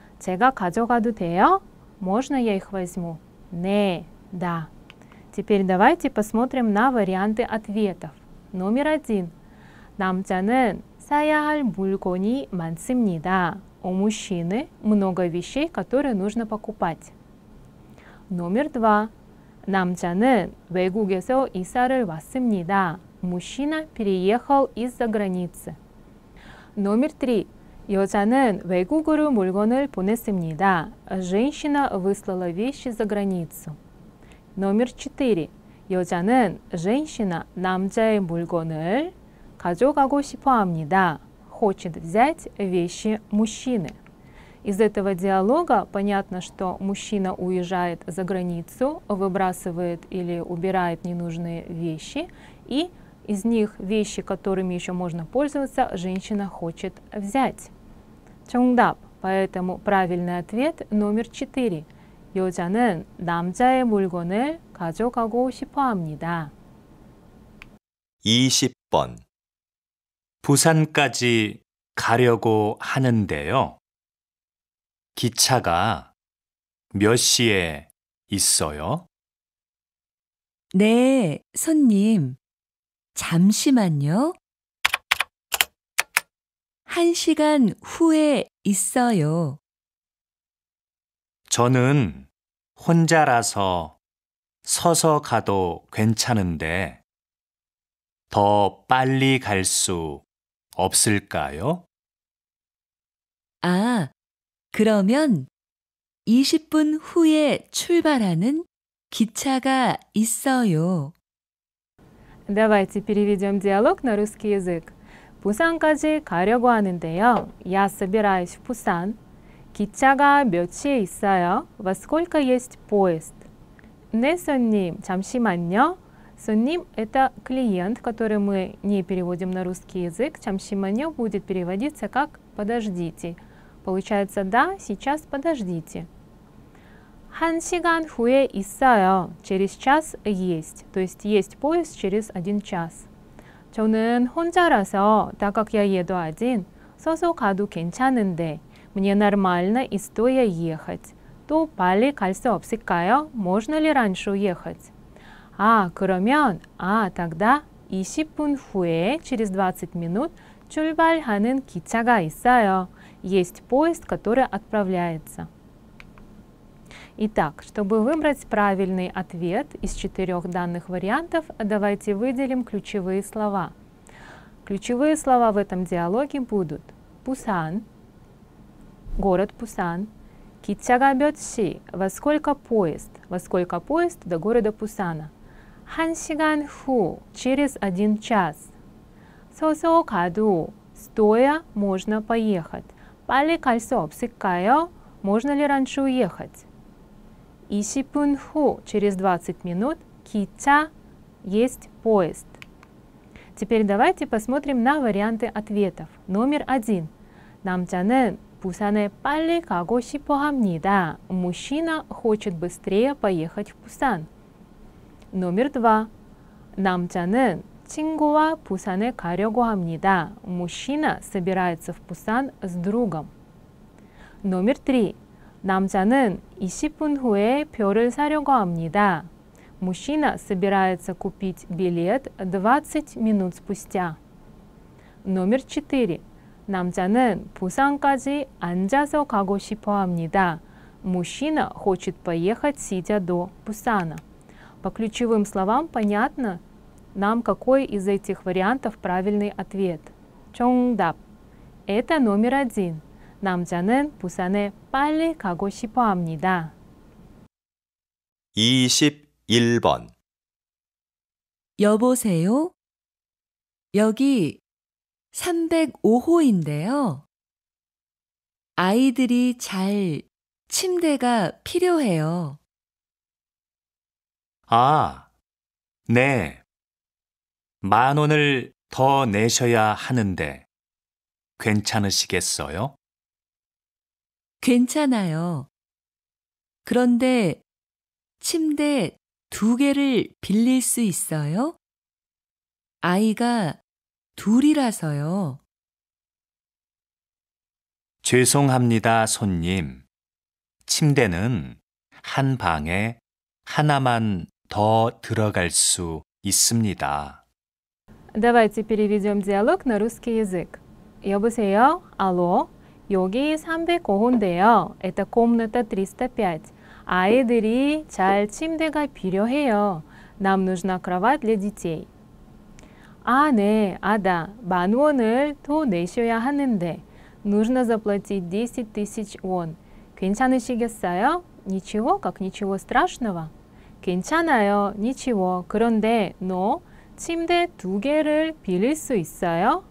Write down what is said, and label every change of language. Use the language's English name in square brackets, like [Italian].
[Korean] 제가 가져가도 돼요? [Russian] Можно я их возьму? [Korean] 네, [Russian] да. Теперь давайте посмотрим на варианты ответов. Номер один. [Korean] 남자는 사야 할 물건이 많습니다. [Russian] У мужчины много вещей, которые нужно покупать. Номер два. [Korean] 남자는 외국에서 이사를 왔습니다. [Russian] Мужчина переехал из-за границы. Номер три. [Korean] 여자는 외국으로 물건을 보냈습니다. [Russian] Женщина выслала вещи за границу. Номер четыре. [Korean] 여자는 [Russian] женщина [Korean] 남자의 물건을 가져가고 싶어합니다. [Russian] Хочет взять вещи мужчины. Из этого диалога понятно, что мужчина уезжает за границу, выбрасывает или убирает ненужные вещи, и из них вещи, которыми еще можно пользоваться, женщина хочет взять. [Korean] 정답. [Russian] Поэтому правильный ответ номер 4. [Korean] 여자는 남자의 물건을 가져가고 싶어합니다. 20번. 부산까지 가려고 하는데요. 기차가 몇 시에 있어요? 네, 손님. 잠시만요. 한 시간 후에 있어요. 저는 혼자라서 서서 가도 괜찮은데 더 빨리 갈 수 없을까요? 아, 그러면 20분 후에 출발하는 기차가 있어요. [Russian] Давайте переведем диалог на русский язык. [Korean] 부산까지 가려고 하는데요. [Russian] Я собираюсь в Пусан. [Korean] 기차가 몇 시에 있어요? [Russian] Во сколько есть поезд? [Korean] 네, 손님, 잠시만요. [Russian] 손님 – это клиент, который мы не переводим на русский язык. 잠시만요 будет переводиться как «подождите». Получается «да», «сейчас подождите». [Korean] 한 시간 후에 있어요. [Russian] Через час есть. То есть есть поезд через один час. [Korean] 저는 혼자라서, [Russian] так как я еду один, [Korean] 서서 가도 괜찮은데, [Russian] мне нормально и стоя ехать. То [Korean] 빨리 갈 수 없을까요? [Russian] Можно ли раньше уехать? [Korean] А, 그러면, [Russian] а, тогда [Korean] 20분 후에, [Russian] через 20 минут, [Korean] 출발하는 기차가 있어요. [Russian] Есть поезд, который отправляется. Итак, чтобы выбрать правильный ответ из четырех данных вариантов, давайте выделим ключевые слова. Ключевые слова в этом диалоге будут Пусан, город Пусан, [Korean] 기차가 몇 시, [Russian] во сколько поезд до города Пусана, [Korean] 한 시간 후, [Russian] через один час, [Korean] 서서 가도, [Russian] стоя можно поехать, [Korean] 빨리 갈 수 없을까요, [Russian] можно ли раньше уехать. [Korean] 20분 후, [Russian] через 20 минут, [Korean] 기차, [Russian] есть поезд. Теперь давайте посмотрим на варианты ответов. Номер один. [Korean] 남자는 부산에 빨리 가고 싶어 합니다. [Russian] Мужчина хочет быстрее поехать в Пусан. Номер два. [Korean] 남자는 친구와 부산에 가려고 합니다. [Russian] Мужчина собирается в Пусан с другом. Номер три. [Korean] 남자는 20분 후에 표를 사려고 합니다. [Russian] Мужчина собирается купить билет 20 минут спустя. Номер 4. [Korean] 남자는 부산까지 앉아서 가고 싶어 합니다. [Russian] Мужчина хочет поехать сидя до Пусана. По ключевым словам понятно нам, какой из этих вариантов правильный ответ. 정답. Это номер один. [Korean] 남자는 부산에 빨리 가고 싶어 합니다. 21번 여보세요? 여기 305호인데요. 아이들이 잘 침대가 필요해요. 아, 네. 만 원을 더 내셔야 하는데 괜찮으시겠어요? 괜찮아요. 그런데 침대 두 개를 빌릴 수 있어요? 아이가 둘이라서요. 죄송합니다, 손님. 침대는 한 방에 하나만 더 들어갈 수 있습니다. [Russian] Давайте переведем диалог на русский язык. [Korean] 여보세요? [Russian] Алло? [Korean] 여기 305호인데요. [Russian] Это комната 305. [Korean] 아이들이 잘 침대가 필요해요. [Russian] Нам нужна кровать для детей. [Korean] 아, 네. 아, 다. 만 원을 더 내셔야 하는데. [Russian] Нужно заплатить 10 тысяч вон. [Korean] 괜찮으시겠어요? [Russian] Ничего, как ничего страшного. [Korean] 괜찮아요. [Russian] Ничего. [Korean] 그런데, [Russian] но... [Korean] 침대 두 개를 빌릴 수 있어요?